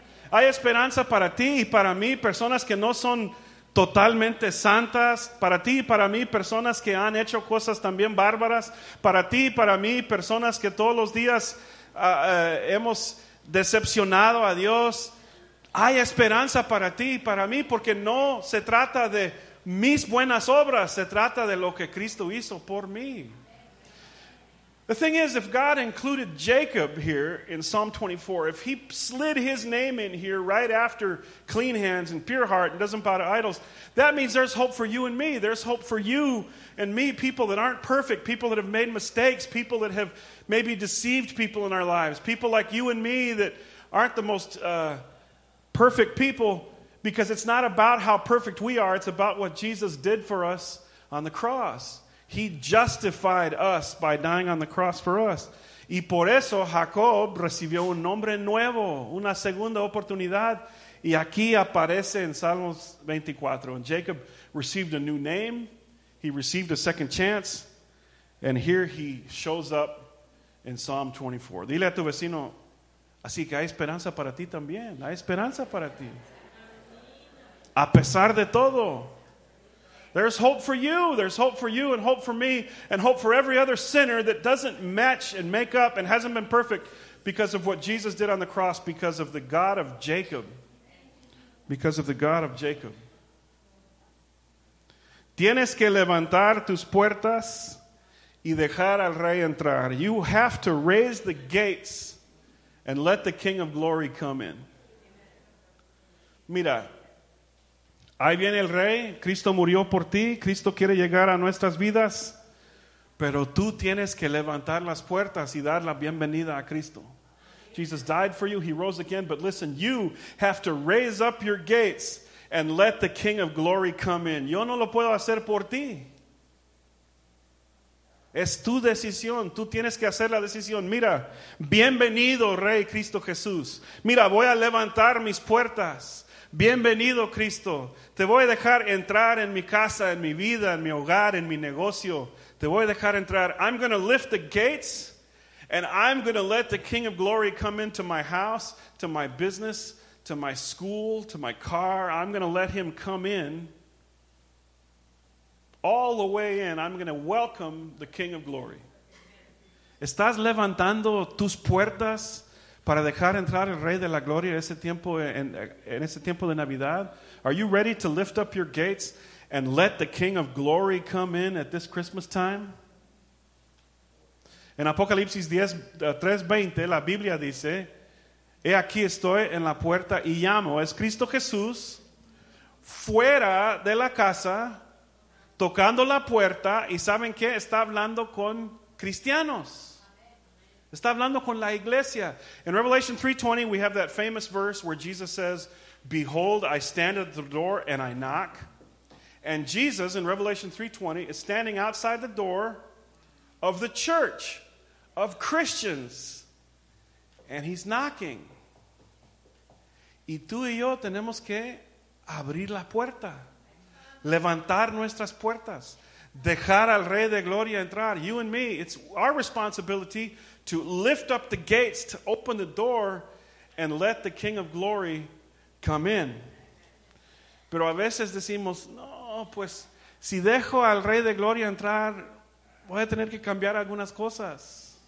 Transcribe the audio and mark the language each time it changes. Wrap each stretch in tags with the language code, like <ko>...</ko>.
<es>Hay esperanza para ti y para mí, personas que no son totalmente santas, para ti y para mí, personas que han hecho cosas también bárbaras, para ti y para mí, personas que todos los días hemos decepcionado a Dios. Hay esperanza para ti y para mí, porque no se trata de mis buenas obras, se trata de lo que Cristo hizo por mí.</es> <en>The thing is, if God included Jacob here in Psalm 24, if he slid his name in here right after clean hands and pure heart and doesn't bow to idols, that means there's hope for you and me. There's hope for you and me, people that aren't perfect, people that have made mistakes, people that have maybe deceived people in our lives, people like you and me that aren't the most perfect people, because it's not about how perfect we are. It's about what Jesus did for us on the cross. He justified us by dying on the cross for us.</en> <es>Y por eso Jacob recibió un nombre nuevo, una segunda oportunidad. Y aquí aparece en Salmos 24.</es> <en>And Jacob received a new name. He received a second chance. And here he shows up in Psalm 24.</en> <es>Dile a tu vecino, así que hay esperanza para ti también. Hay esperanza para ti. A pesar de todo.</es> <en>There's hope for you, there's hope for you and hope for me and hope for every other sinner that doesn't match and make up and hasn't been perfect because of what Jesus did on the cross, because of the God of Jacob. Because of the God of Jacob.</en> <es>Tienes que levantar tus puertas y dejar al rey entrar.</es> <en>You have to raise the gates and let the King of Glory come in.</en> <es>Mira, ahí viene el rey, Cristo murió por ti, Cristo quiere llegar a nuestras vidas, pero tú tienes que levantar las puertas y dar la bienvenida a Cristo.</es> <en>Jesus died for you, he rose again, but listen, you have to raise up your gates and let the King of Glory come in.</en> <es>Yo no lo puedo hacer por ti. Es tu decisión, tú tienes que hacer la decisión. Mira, bienvenido Rey Cristo Jesús. Mira, voy a levantar mis puertas. Bienvenido Cristo, te voy a dejar entrar en mi casa, en mi vida, en mi hogar, en mi negocio. Te voy a dejar entrar.</es> <en>I'm going to lift the gates and I'm going to let the King of Glory come into my house, to my business, to my school, to my car. I'm going to let him come in, all the way in. I'm going to welcome the King of Glory.</en> <es>¿Estás levantando tus puertas para dejar entrar el Rey de la Gloria en ese tiempo de Navidad?</es> <en>Are you ready to lift up your gates and let the King of Glory come in at this Christmas time?</en> <es>En Apocalipsis 3:20, la Biblia dice, he aquí estoy en la puerta y llamo. Es Cristo Jesús fuera de la casa, tocando la puerta, y ¿saben qué? Está hablando con cristianos. Está hablando con la iglesia.</es> <en>In Revelation 3:20, we have that famous verse where Jesus says, behold, I stand at the door and I knock. And Jesus, in Revelation 3:20, is standing outside the door of the church, of Christians. And he's knocking.</en> <es>Y tú y yo tenemos que abrir la puerta. Levantar nuestras puertas. Dejar al Rey de Gloria entrar.</es> <en>You and me, it's our responsibility to lift up the gates, to open the door, and let the King of Glory come in.</en> <es>Pero a veces decimos, no, pues, si dejo al Rey de Gloria entrar, voy a tener que cambiar algunas cosas.</es>